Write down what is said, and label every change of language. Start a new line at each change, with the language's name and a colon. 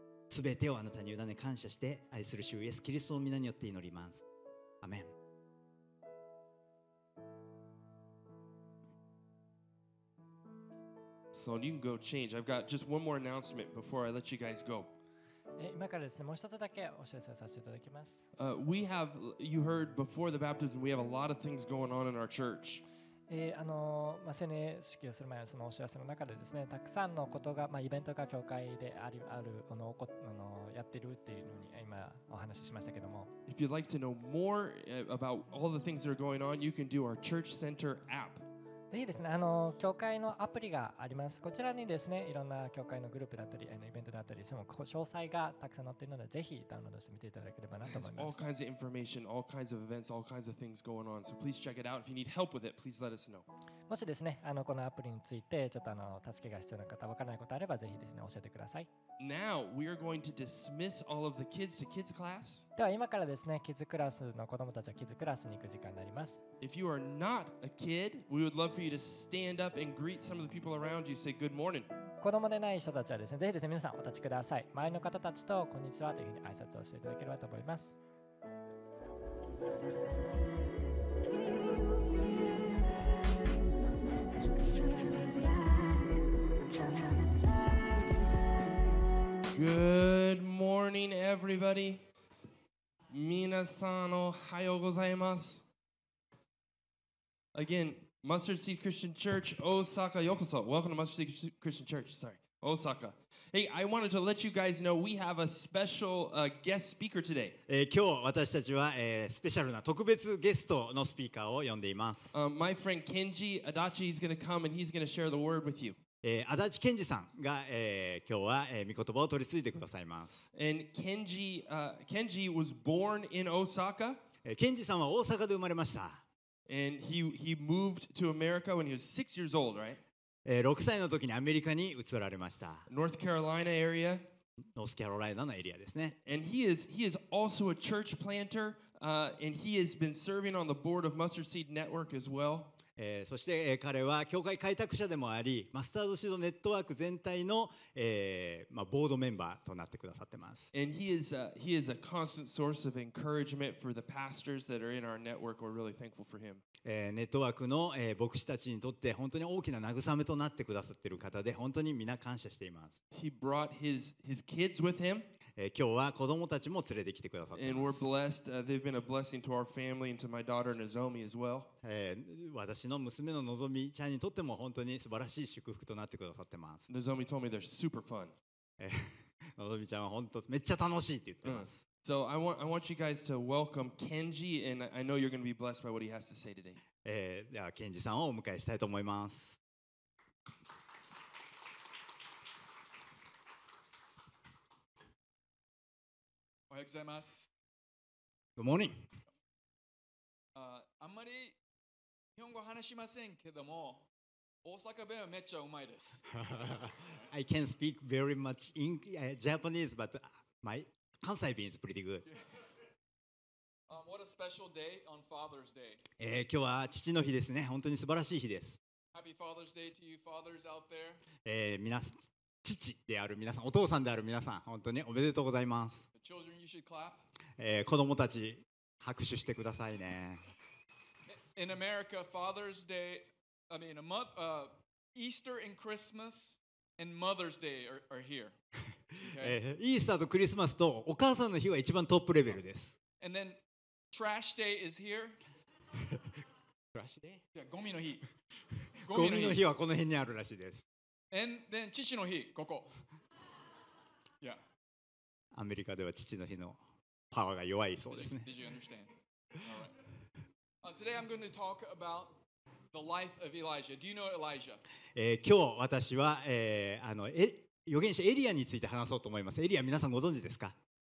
Japanese: すべてをあなたに委ね感謝して愛する主イエスキリストの御名によって祈ります。アメン。
English: So you can go change. I've got just one more announcement before I let you guys go.
Japanese: 今からですね、もう一つだけお知らせさせていただきます。
English: We have, you heard before the baptism, we have a lot of things going on in our church.
Japanese: 洗礼式をする前のそのお知らせの中でですね、たくさんのことが、イベントが教会であり、ある、やってるっていうのに今お話ししましたけども。
English: If you'd like to know more about all the things that are going on, you can do our church center app.
Japanese: ぜひですね、教会のアプリがあります。こちらにですね、いろんな教会のグループだったり、イベントだったり、その詳細がたくさん載っているので、ぜひダウンロードしてみていただければなと思います。
English: All kinds of information, all kinds of events, all kinds of things going on. So please check it out. If you need help with it, please let us know.
Japanese: もしですね、このアプリについてちょっと助けが必要な方、わからないことあればぜひですね、教えてください。
English: Now we are going to dismiss all of the kids to kids class.
Japanese: では今からですね、キッズクラスの子供たちはキッズクラスに行く時間になります。
English: If you are not a kid, we would love for you to stand up and greet some of the people around you. Say good morning.
Japanese: 子供でない人たちはですね、ぜひですね、皆さんお立ちください。周りの方たちとこんにちはというふうに挨拶をしていただければと思います。
English: Good morning, everybody.
Japanese: Minasan ohayou gozaimasu.
English: Again, Mustard Seed Christian Church, Osaka, yokoso. Welcome to Mustard Seed Christian Church. Sorry, Osaka. Hey, I wanted to let you guys know we have a special guest speaker today.
Japanese: 今日私たちは、スペシャルな特別ゲストのスピーカーを呼んでいます。
English: My friend Kenji Adachi is going to come and he's going to share the word with you.
Japanese: 足立健二さんが、今日は、御言葉を取り継いでくださいます。
English: And Kenji, Kenji was born in Osaka.
Japanese: Kenji さんは大阪で生まれました。
English: And he moved to America when he was 6 years old, right?
Japanese: 6歳の時にアメリカに移られました。
English: North Carolina area.
Japanese: North Carolina のエリアですね。
English: And he is also a church planter, and he has been serving on the board of Mustard Seed Network as well.
Japanese: そして、彼は教会開拓者でもありマスタードシードネットワーク全体の、ボードメンバーとなってくださってます。
English: And he is a constant source of encouragement for the pastors that are in our network. We're really thankful for him.
Japanese: ネットワークの、牧師たちにとって本当に大きな慰めとなってくださっている方で本当にみんな感謝しています。
English: He brought his kids with him.
Japanese: 今日は子供たちも連れてきてくださってます。
English: And we're blessed. They've been a blessing to our family and to my daughter Nozomi as well.
Japanese: 私の娘ののぞみちゃんにとっても本当に素晴らしい祝福となってくださってます。
English: Nozomi told me they're super fun.
Japanese: のぞみちゃんは本当めっちゃ楽しいって言ってます。
English: So I want you guys to welcome Kenji, and I know you're going to be blessed by what he has to say today.
Japanese: では Kenji さんをお迎えしたいと思います。おはようございます。
English: Good morning.
Japanese: あんまり日本語話しませんけども、大阪弁はめっちゃうまいです。
English: I can speak very much in Japanese, but my 関西弁 is pretty good. What a special day on Father's Day.
Japanese: 今日は父の日ですね。本当に素晴らしい日です。
English: Happy Father's Day to you fathers out there.
Japanese: 皆さん、父である皆さん、お父さんである皆さん、本当におめでとうございます。
English: The children, you should clap.
Japanese: 子供たち、拍手してくださいね。
English: In America, Father's Day, I mean, a month, Easter and Christmas and Mother's Day are here. Okay.
Japanese: イースターとクリスマスとお母さんの日は一番トップレベルです。
English: And then trash day is here. Trash day?
Japanese: ゴミの日。ゴミの日はこの辺にあるらしいです。
English: And then
Japanese: 父の日、ここ。
English: Yeah.
Japanese: アメリカでは父の日のパワーが弱いそうですね。
English: Did you understand? All right. Today I'm going to talk about the life of Elijah. Do you know Elijah?
Japanese: 今日私は、預言者エリアについて話そうと思います。エリア、皆さんご存知ですか？